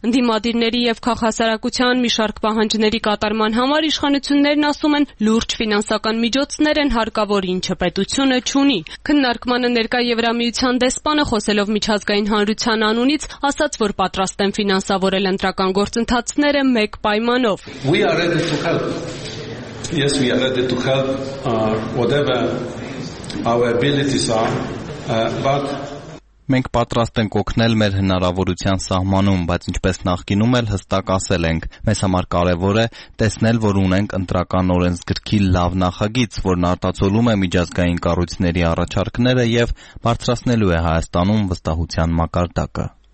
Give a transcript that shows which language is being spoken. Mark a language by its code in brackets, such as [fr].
[hy] Ընդդիմադիրների և քաղաքասարակության մի շարք պահանջների կատարման համար իշխանություններն ասում են, լուրջ ֆինանսական միջոցներ են հարկավոր, ինչը պետությունը չունի։ Քննարկմանը ներկա Եվրամիության դեսպանը, խոսելով միջազգային հանրության անունից, ասաց, որ պատրաստ են ֆինանսավորել ընտրական գործընթացները մեկ պայմանով. [en] We are ready to help. Yes, we are ready to help whatever our abilities are, but [hy] մենք պատրաստ ենք օգնել մեր հնարավորության սահմանում, բայց ինչպես նախկինում էլ հստակ ասել ենք, մեզ համար կարևոր է տեսնել, որ ունենք ընտրական օրենսգրքի լավ նախագիծ, որն արտացոլում է միջազգային կառույցների առաջարկները եւ բարձրացնելու է Հայաստանում վստահության մակարդակը.